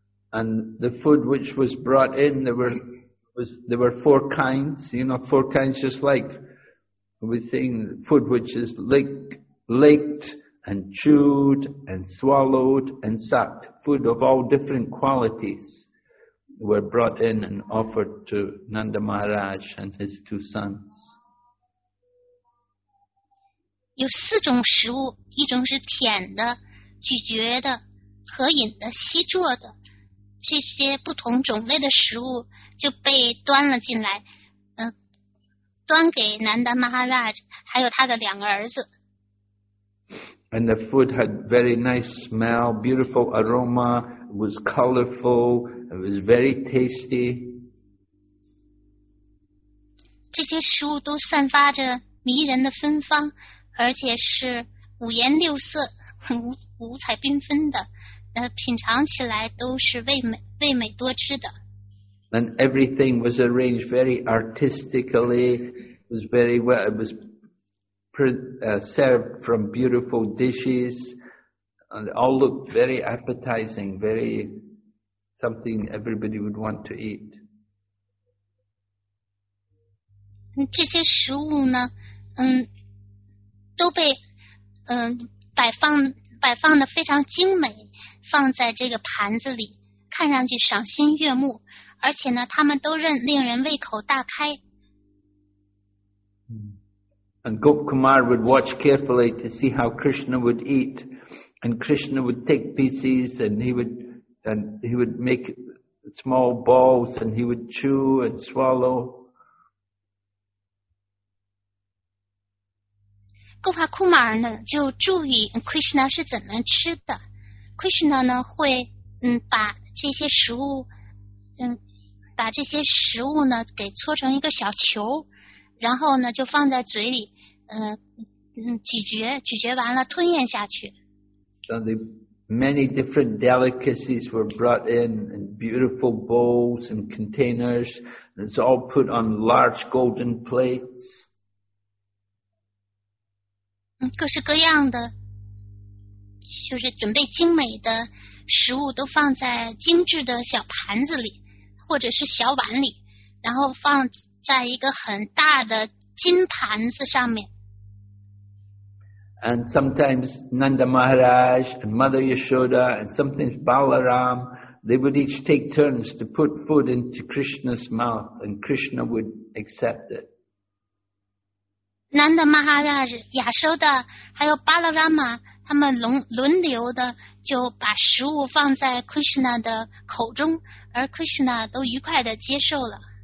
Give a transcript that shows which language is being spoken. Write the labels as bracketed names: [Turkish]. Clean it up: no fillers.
[English] And the food which was brought in, there were four kinds, you know, four kinds, just like we think food which is licked. And chewed and swallowed and sucked, food of all different qualities were brought in and offered to Nanda Maharaj and his two sons. [Chinese] 有四种食物，一种是舔的、咀嚼的、可饮的、吸啜的，这些不同种类的食物就被端了进来，端给南达玛哈拉什还有他的两个儿子。 [English] And the food had very nice smell, beautiful aroma, was colorful, it was very tasty. [Chinese] 这些食物都散发着迷人的芬芳，而且是五颜六色，五彩缤纷的，品尝起来都是味美多汁的。 [English] And everything was arranged very artistically, it was very well, it was served from beautiful dishes, and all looked very appetizing, very something everybody would want to eat. [Chinese] 这些食物呢，都被摆放的非常精美，放在这个盘子里，看上去赏心悦目，而且呢，他们都令人胃口大开。 [English] And Gop Kumar would watch carefully to see how Krishna would eat, and Krishna would take pieces and he would make small balls and he would chew and swallow. [Chinese] Gopa Kumar 呢就注意 Krishna 是怎么吃的。 Krishna 呢会把这些食物把这些食物呢给搓成一个小球，然后呢就放在嘴里。咀嚼完了吞咽下去。 [English] So the many different delicacies were brought in beautiful bowls and containers, and it's all put on large golden plates. [Chinese] 各式各样的，就是准备精美的食物都放在精致的小盘子里，或者是小碗里，然后放在一个很大的金盘子上面。 [English] And sometimes Nanda Maharaj and Mother Yashoda and sometimes Balaram, they would each take turns to put food into Krishna's mouth and Krishna would accept it. [Chinese] Nanda Maharaj, Yashoda, 还有 Balarama, 他们轮流的就把食物放在 Krishna 的口中，而 Krishna 都愉快的接受了。